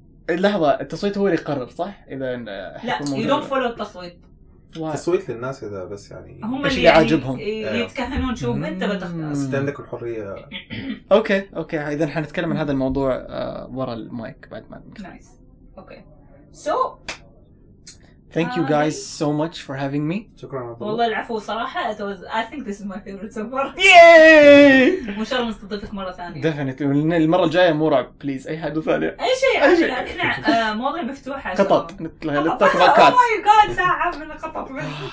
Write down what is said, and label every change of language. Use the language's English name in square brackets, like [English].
[Arabic] اللحظة التصويت هو اللي يقرر صح؟ إذا لا [English] you don't follow [Arabic] التصويت. تصويت للناس إذا بس يعني هم اللي يعني عاجبهم يتكهنون شو أنت بتختار. عندك الحرية. أوكي أوكي إذا حنتكلم عن هذا الموضوع وراء المايك بعد ما. [English] Nice. Okay. So thank you guys so much for having me. [Arabic] شكرا والله العفو صراحة [English] I think this is my favorite so far. Yay! [Arabic] مش عارف نستضيفك مرة ثانية. [English] Definitely. [Arabic] المرة الجاية مو رعب please أي حد ثاني. أي شيء إحنا مواضيع مفتوحة. قطط. Oh my god ساعة من القطط بس.